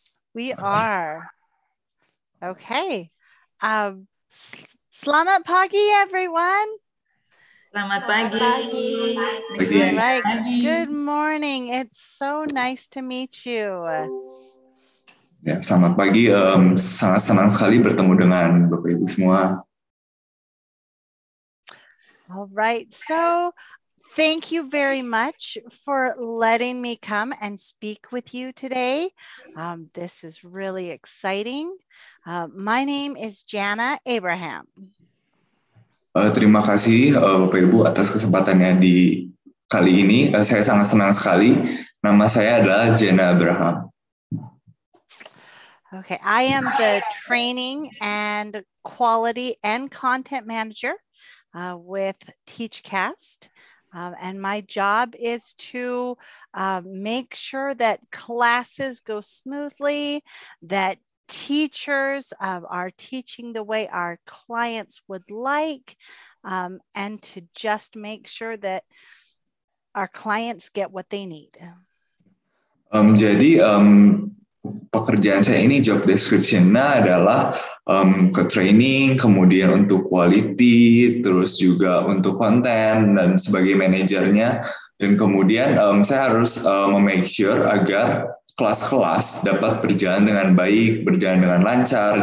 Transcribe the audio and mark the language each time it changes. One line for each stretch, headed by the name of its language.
English: We are. Okay.
Indonesian: Selamat pagi,
English: everyone.
Indonesian: Selamat pagi. Pagi. Pagi. Like, pagi.
English: Good morning. It's so nice to meet you.
Indonesian: Ya, selamat pagi. Sangat senang sekali bertemu dengan Bapak-Ibu semua.
English: All right. So, thank you very much for letting me come and speak with you today. This is really exciting. My name is Jana Abraham.
Indonesian: Terima kasih Bapak Ibu atas kesempatannya di kali ini. Saya sangat senang sekali. Nama saya adalah Jana Abraham.
English: Okay, I am the training and quality and content manager with TeachCast. And my job is to make sure that classes go smoothly, that teachers are teaching the way our clients would like, and to just make sure that our clients get what they need.
Indonesian: Jadi, pekerjaan saya ini job description-nya adalah ke training, kemudian untuk quality, terus juga untuk konten dan sebagai manajernya. Dan kemudian saya harus
English: make sure
Indonesian: agar kelas-kelas dapat berjalan dengan baik, berjalan dengan lancar.